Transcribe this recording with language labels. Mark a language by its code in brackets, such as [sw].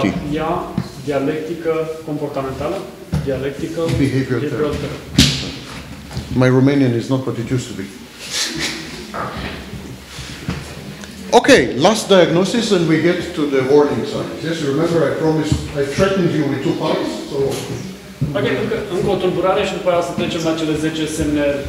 [ro] Terapia dialectică comportamentală. [en] Dialectical behavior therapy. My Romanian is not what it used to be. Okay, last diagnosis and we get to the warning signs. Yes, you remember I promised, I threatened you with two parts, so... [ro] Okay, încă o tulburare și după aia o să trecem la cele 10 semne...